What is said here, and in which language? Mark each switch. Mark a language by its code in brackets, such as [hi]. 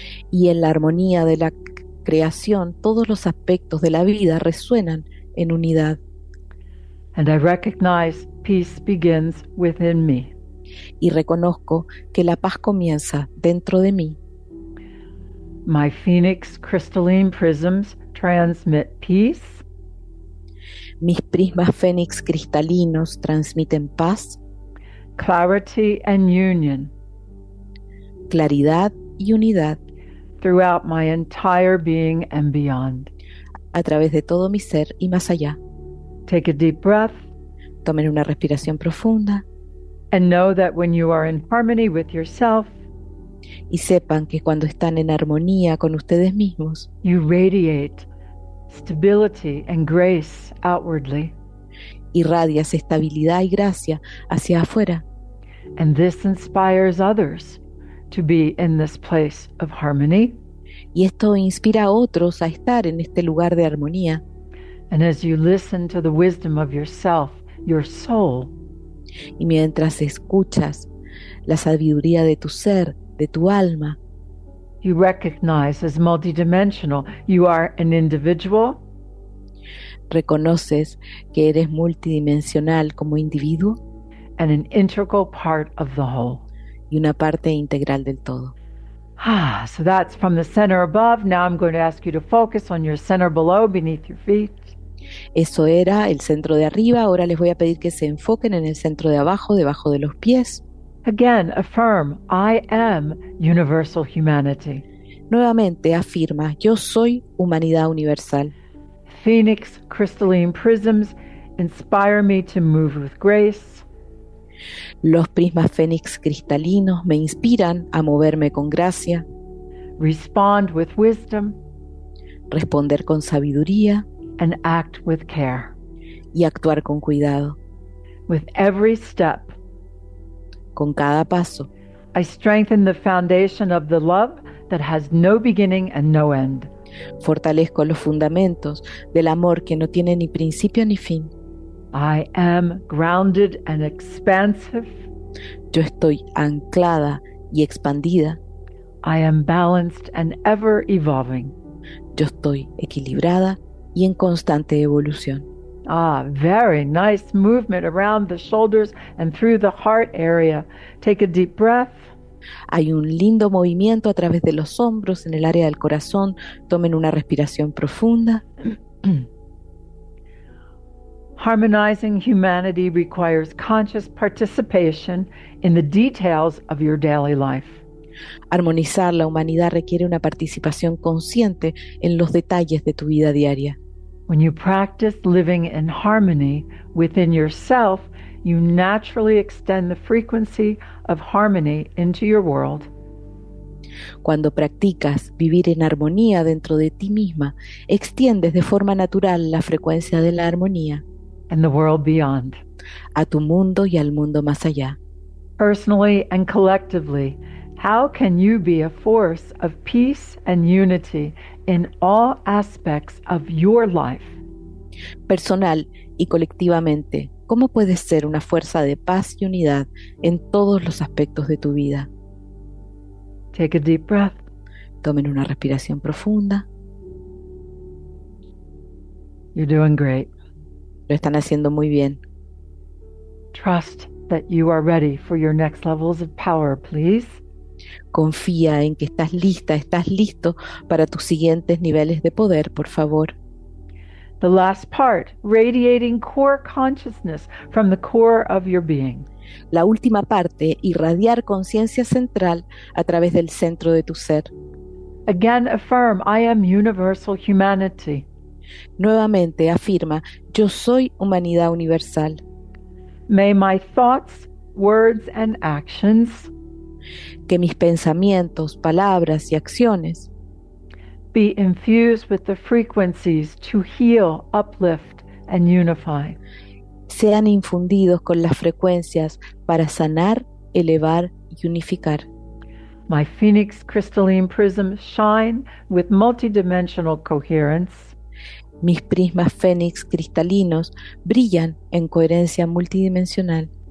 [es] Y en la armonía de la creación, todos los aspectos de la vida resuenan en unidad. [en] And I recognize peace begins within me. [es] Y reconozco que la paz comienza dentro de mí. [en] My phoenix crystalline prisms transmit peace. [es] Mis prismas fénix cristalinos transmiten paz. [en] Clarity and union. [es] Claridad y unidad. [en] Throughout my entire being and beyond. [es] A través de todo mi ser y más allá. [en] Take a deep breath. [es] Tomen una respiración profunda. [en] And know that when you are in harmony with yourself, [es] y sepan que cuando están en armonía con ustedes mismos, [en] you radiate stability and grace outwardly. [es] Irradias estabilidad y gracia hacia afuera. [en] And this inspires others to be in this place of harmony. [es] Y esto inspira a otros a estar en este lugar de armonía. [en] And as you listen to the wisdom of yourself, your soul, [es] y mientras escuchas la sabiduría de tu ser, de tu alma, [en] you recognize as multidimensional, you are an individual. [es] Reconoces que eres multidimensional como individuo, [en] and an integral part of the whole, [es] y una parte integral del todo. [en] Ah, so that's from the center above. Now I'm going to ask you to focus on your center below, beneath your feet. [es] Eso era el centro de arriba. Ahora les voy a pedir que se enfoquen en el centro de abajo, debajo de los pies. [en] Again, affirm, I am universal humanity. [es] Nuevamente afirma, yo soy humanidad universal. [en] Phoenix crystalline prisms inspire me to move with grace. [es] Los prismas fénix cristalinos me inspiran a moverme con gracia. [en] Respond with wisdom. [es] Responder con sabiduría. [en] And act with care. [es] Y actuar con cuidado. [en] With every step, [es] con cada paso, [en] I strengthen the foundation of the love that has no beginning and no end. [es] Fortalezco los fundamentos del amor que no tiene ni principio ni fin. [en] I am grounded and expansive. [es] Yo estoy anclada y expandida. [en] I am balanced and ever evolving. [es] Yo estoy equilibrada y en constante evolución. [en] Ah, very nice movement around the shoulders and through the heart area. Take a deep breath. [es] Hay un lindo movimiento a través de los hombros en el área del corazón. Tomen una respiración profunda. [en] Harmonizing humanity requires conscious participation in the details of your daily life. [es] Armonizar la humanidad requiere una participación consciente en los detalles de tu vida diaria. [en] When you practice living in harmony within yourself, you naturally extend the frequency of harmony into your world. [es] Cuando practicas vivir en armonía dentro de ti misma, extiendes de forma natural la frecuencia de la armonía [en] and the world beyond. [es] A tu mundo y al mundo más allá. [en] Personally and collectively, how can you be a force of peace and unity in all aspects of your life? [es] Personal y colectivamente, ¿cómo puedes ser una fuerza de paz y unidad en todos los aspectos de tu vida? [en] Take a deep breath. [es] Tomen una respiración profunda. [en] You're doing great. [es] Lo están haciendo muy bien. [en] Trust that you are ready for your next levels of power, please. [es] Confía en que estás lista, estás listo para tus siguientes niveles de poder, por favor. [en] The last part, radiating core consciousness from the core of your being. [es] La última parte, irradiar conciencia central a través del centro de tu ser. [en] Again, affirm, I am universal humanity. [es] Nuevamente afirma, yo soy humanidad universal. [en] May my thoughts, words, and actions [es] que mis pensamientos, palabras y acciones [en] be infused with the frequencies to heal, uplift, and unify. [es] Sean infundidos con las frecuencias para sanar, elevar y unificar. [en] My phoenix crystalline prism shine with multidimensional coherence. [es] Mis prismas fénix cristalinos brillan en coherencia multidimensional.